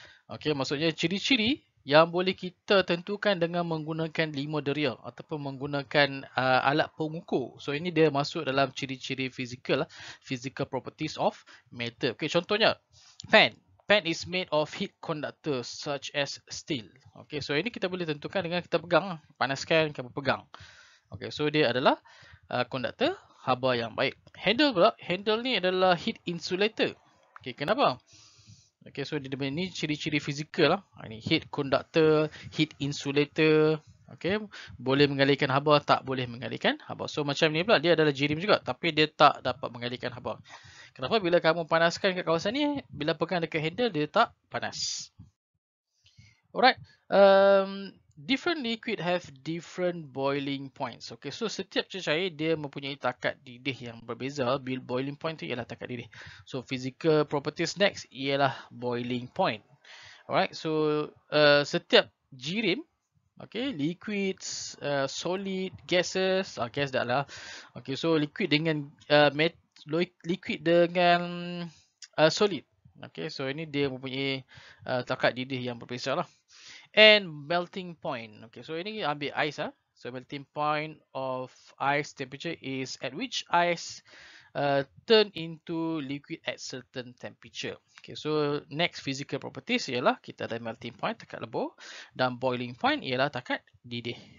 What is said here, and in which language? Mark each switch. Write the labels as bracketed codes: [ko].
[ms] Okay, maksudnya ciri-ciri yang boleh kita tentukan dengan menggunakan 5 deria ataupun menggunakan alat pengukur. So ini dia masuk dalam ciri-ciri fizikal, [en] physical properties of matter. [ms] Okay, contohnya fan. [en] Fan is made of heat conductor such as steel. [ms] Okay, so ini kita boleh tentukan dengan kita pegang, panaskan, kamu pegang. Okay, so dia adalah conductor haba yang baik. Handle pula, handle ni adalah heat insulator. Okay, kenapa? Okay, so ini ciri-ciri fizikal lah. [en] Ini heat conductor, heat insulator. [ms] Okay, boleh mengalirkan haba, tak boleh mengalirkan haba. So macam ni pula, dia adalah jirim juga tapi dia tak dapat mengalirkan haba. Kenapa bila kamu panaskan kat kawasan ni, bila pegang dekat handle, dia tak panas. Alright. [en] Different liquid have different boiling points. [ms] Okay, so setiap cecair dia mempunyai takat didih yang berbeza. Boiling point tu ialah takat didih. So physical properties next ialah boiling point. Alright, so setiap jirim, okay, liquids, solid, gases, gas dah lah. Okay, so liquid dengan liquid dengan solid. Okay, so ini dia mempunyai takat didih yang berbeza lah. [en] And melting point. [ms] Okay, so ini ambil ice ah. [en] So melting point of ice temperature is at which ice turn into liquid at certain temperature. [ms] Okay, so next physical properties ialah kita ada melting point takat lebur dan boiling point ialah takat didih.